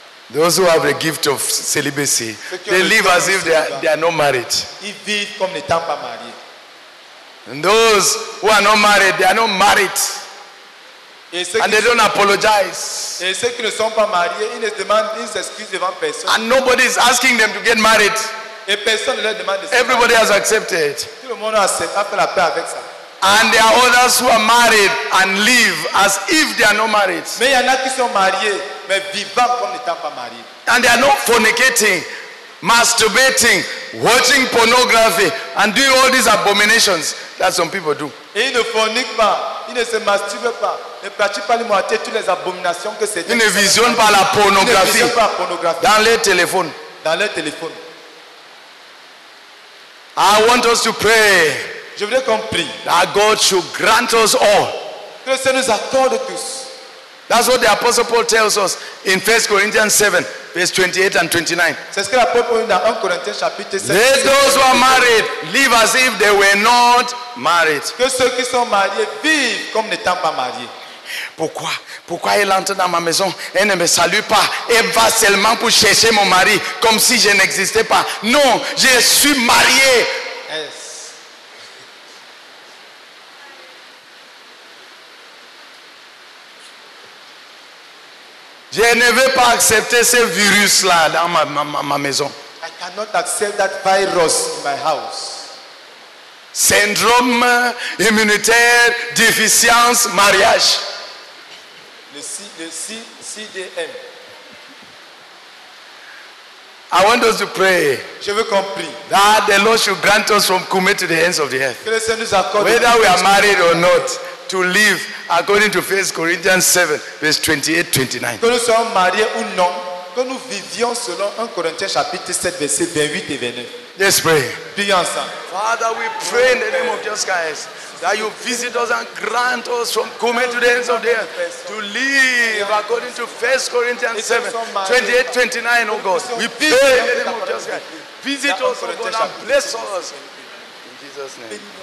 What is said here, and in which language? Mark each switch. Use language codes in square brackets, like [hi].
[en] Those who have the gift of celibacy, they live as if they are not married. [fr] Ils vivent comme n'étant pas mariés. [en] And those who are not married, they are not married. And they don't apologize. [fr] Et ceux qui ne sont pas mariés, ils ne demandent, ils s'excusent devant personne. [en] And nobody is asking them to get married. [fr] Et personne ne leur demande. [en] Everybody has accepted. [fr] Tout le monde a accepté, a fait la paix avec ça. [en] And there are others who are married and live as if they are not married. [fr] Mais il y en a qui sont mariés, mais vivant comme n'étant pas mariés. [en] And they are not fornicating, masturbating, watching pornography, and doing all these abominations that some people do. [fr] Et ils ne forniquent pas, ils ne se masturbent pas, ne pratiquent pas les moitiés, toutes les abominations que c'est. Ils ne visionnent pas la pornographie. Ils ne visionnent pas la pornographie. Dans leur téléphone. [en] I want us to pray. [fr] Je voudrais qu'on prie. [en] That God should grant us all. [fr] Que le Seigneur nous accorde tous. [en] That's what the Apostle Paul tells us in 1 Corinthians 7, verse 28 and 29. [fr] C'est ce que l'apôtre Paul dit dans 1 Corinthiens chapitre 7. [en] Let those who are married live as if they were not married. [fr] Que ceux qui sont mariés vivent comme n'étant pas mariés. Pourquoi elle entre dans ma maison? Elle ne me salue pas. Elle va seulement pour chercher mon mari comme si je n'existais pas. Non, je suis marié. [en] Yes. [fr] Je ne veux pas accepter ce virus-là dans ma maison. [en] I cannot accept that virus in my house. [fr] syndrome immunitaire déficience mariage. Le CDM. [en] I want us to pray. [fr] Je veux qu'on prie. [en] That the Lord should grant us from Kume to the ends of the earth. [fr] Que le Seigneur nous accorde. [en] Whether we are married or not, to live according to 1 Corinthians 7, verse 28-29. [fr] Que nous soyons mariés ou non, que nous vivions selon 1 Corinthiens chapitre 7, verset 28 et 29. [en] Let's pray. [fr] Prions ensemble. [en] Father, we pray in the name of Jesus Christ that you visit us and grant us from coming to the ends of the earth to live according to 1 Corinthians 7, 28-29, oh God. We pray in the name of Jesus Christ. Visit us, oh God, and bless us. In Jesus' name.